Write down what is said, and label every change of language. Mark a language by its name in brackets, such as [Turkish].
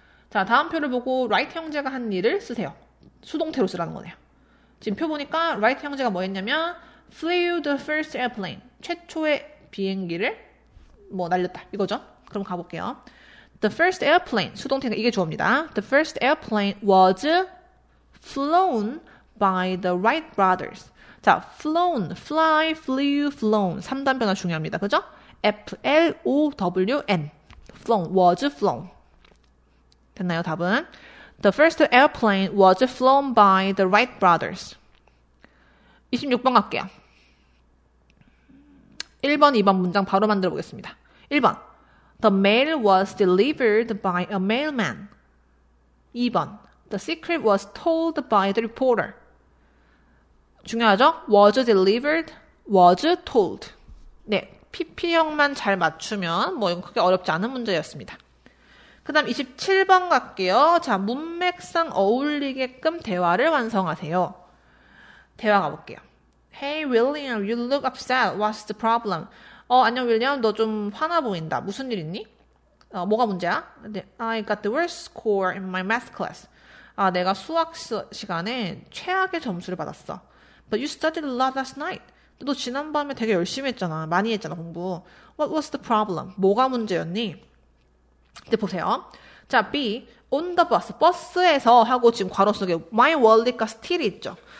[Korean] 자, 다음 표를 보고 라이트 형제가 한 일을 쓰세요. 수동태로 쓰라는 거네요. 지금 표 보니까 라이트 형제가 뭐 했냐면 [English] flew the first airplane. [Korean] 최초의 비행기를 뭐 날렸다. 이거죠? 그럼 가볼게요. [English] The first airplane. [Korean] 수동태가 이게 주어입니다. [English] The first airplane was flown by the Wright brothers. [Korean] 자, flown, fly, flew, flown. 3단 변화 중요합니다. 그죠? F-L-O-W-N. flown, was flown. 됐나요, 답은? [English] The first airplane was flown by the Wright brothers. [Korean] 26번 갈게요. 1번, 2번 문장 바로 만들어 보겠습니다. [English] 1번. The mail was delivered by a mailman. 2번. The secret was told by the reporter. [Korean] 중요하죠? [English] Was delivered, was told. 네. [Korean] PP형만 잘 맞추면 뭐 이건 크게 어렵지 않은 문제였습니다. 그 다음 27번 갈게요. 자, 문맥상 어울리게끔 대화를 완성하세요. [English] 대화 가볼게요. Hey, William, you look upset. What's the problem? [Korean] 안녕, [English] William. [Korean] 너 좀 화나 보인다. 무슨 일 있니? 뭐가 문제야? [English] I got the worst score in my math class. [Korean] 내가 수학 시간에 최악의 점수를 받았어. [English] But you studied a lot last night. [Korean] 너 지난밤에 되게 열심히 했잖아. 많이 했잖아, 공부. [English] What was the problem? [Korean] 뭐가 문제였니? 이제 보세요. 자, B. [English] On the bus. [Korean] 버스에서 하고 지금 괄호 속에 My wallet과 still 있죠.